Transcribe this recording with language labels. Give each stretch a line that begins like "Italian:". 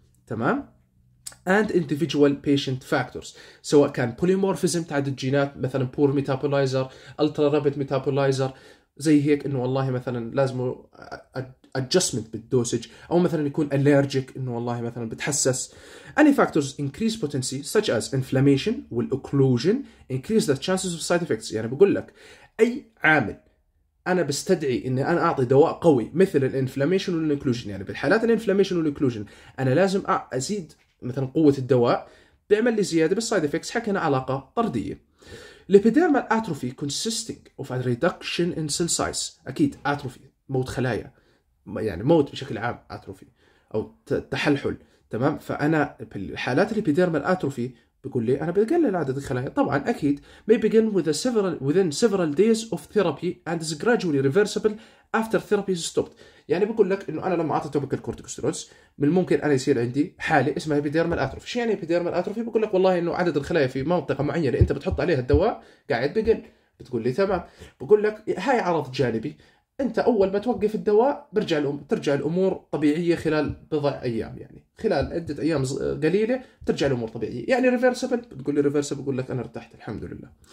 Arabic: تمام،
English: and individual patient factors,
Arabic: سواء كان بوليمورفيزم تعدد الجينات، مثلا بور ميتابولايزر، الترا رابيد ميتابولايزر، زي هيك انه والله مثلا لازم adjustment بالدوسج، او مثلا يكون allergic انه والله مثلا بتحسس.
English: any factors increase potency such as inflammation والocclusion increase the chances of side effects.
Arabic: يعني بقول لك اي عامل انا بستدعي اني انا اعطي دواء قوي مثل الانفلاميشن والocclusion، يعني بالحالات الانفلاميشن والocclusion انا لازم ازيد مثلا قوه الدواء، بيعمل لي زياده بالسايد افكتس، حكينا علاقه طرديه. الابيديرمال اتروفي
English: consisting of a reduction in cell size،
Arabic: اكيد اتروفي موت خلايا، يعني موت بشكل عام اتروفي او تحلحل. تمام، فانا بالحالات الابيديرمال اتروفي بقول لي انا بقلل عدد الخلايا، طبعا اكيد
English: may begin with a several within several days of therapy and is gradually reversible after therapy is stopped.
Arabic: يعني بقول لك انه انا لما اعطي توبيكال كورتيكوستيرويدز من الممكن انا يصير عندي حاله اسمها ابيديرمال اتروفي. يعني ابيديرمال اتروفي بقول لك والله انه عدد الخلايا في منطقه معينه انت بتحط عليها الدواء قاعد بقل، بتقول لي تمام، بقول لك هاي عرض جانبي، انت اول ما توقف الدواء برجع ترجع الامور طبيعيه خلال بضع ايام، يعني خلال عده ايام قليله ترجع الامور طبيعيه، يعني ريفرسبل، بتقول لي ريفرسبل، بقول لك انا ارتحت الحمد لله.